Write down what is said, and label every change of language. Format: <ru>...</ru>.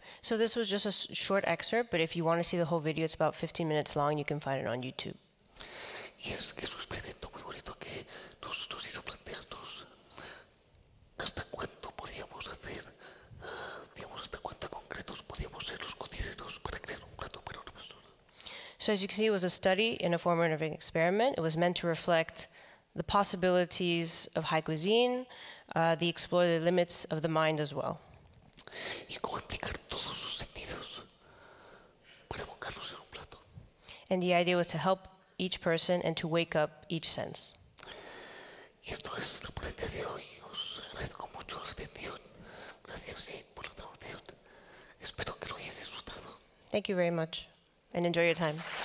<en>So this was just a short excerpt, but if you want to see the whole video, it's about 15 minutes long. You can find it on YouTube.</en> <es>Y es que es un experimento muy bonito que nos hizo plantearnos hasta cuánto podíamos hacer, digamos, hasta cuánto concretos podíamos ser los cocineros para crear un plato para una persona.</es> <en>So as you can see, it was a study in a form of an experiment. It was meant to reflect the possibilities of high cuisine, the explore the limits of the mind as well.</en> <es>Y cómo implicar todos sus sentidos para evocarlos en un plato.</es> <en>And the idea was to help each person and to wake up each sense.</en> <es>Y esto es la ponencia de hoy. Os agradezco mucho la atención. Gracias por la atención. Espero que lo hayáis disfrutado.</es> <en>Thank you very much and enjoy your time.</en>